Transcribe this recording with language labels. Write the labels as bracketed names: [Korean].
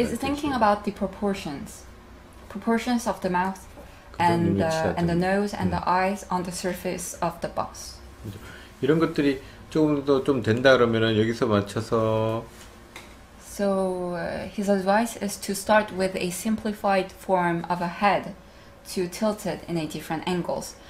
[English] He's thinking about the proportions of the mouth and the nose and the eyes on the surface of the box. [Korean] 이런 것들이 조금 더 좀 된다 그러면은 여기서 맞춰서 [English] So his advice is to start with a simplified form of a head to tilt it in a different angles.